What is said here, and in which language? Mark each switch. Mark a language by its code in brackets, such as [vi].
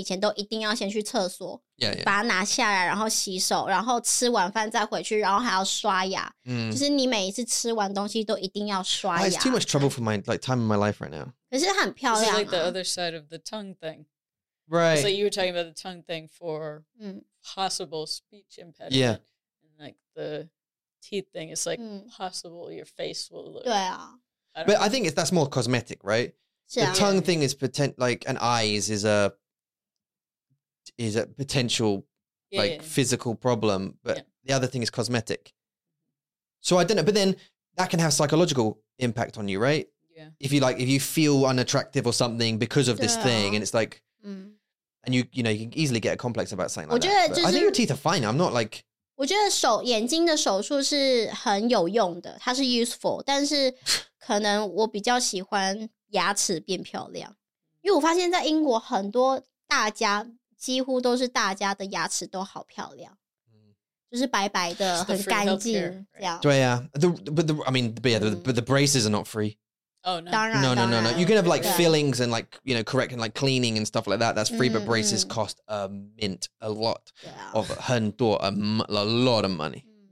[zh] 很多人都说他们都要吃饭以前都一定要先去厕所, [en] yeah, yeah. [zh] 把它拿下来然后洗手然后吃完饭再回去然后还要刷牙, mm. 就是你每一次吃完东西都一定要刷牙。 [en] It's too much trouble for my like time in my life right now. [zh] 可是很漂亮啊。 [en] It's like the other side of the tongue thing. Right. It's like you were talking about the tongue thing for possible speech impediment. Yeah. And like the teeth thing, it's like possible your face will look. [zh] 对啊。 [en] But I think that's more cosmetic, right? The tongue thing is pretend, like an eyes is a potential physical problem. But the other thing is cosmetic. So I don't know. But then that can have psychological impact on you, right? If you feel unattractive or something because of this thing, and it's like, and you can easily get a complex about something like that. But I think your teeth are fine. I'm not like. [zh] 我觉得眼睛的手术是很有用的，它是 useful，但是可能我比较喜欢牙齿变漂亮，因为我发现在英国很多大家几乎都是大家的牙齿都好漂亮。就是白白的，很干净，这样。对呀，but [en] the braces are not free. Oh no! No. You can have like fillings and like you know, correct and like cleaning and stuff like that. That's free, but braces cost a mint, a lot of 很多 a lot of money.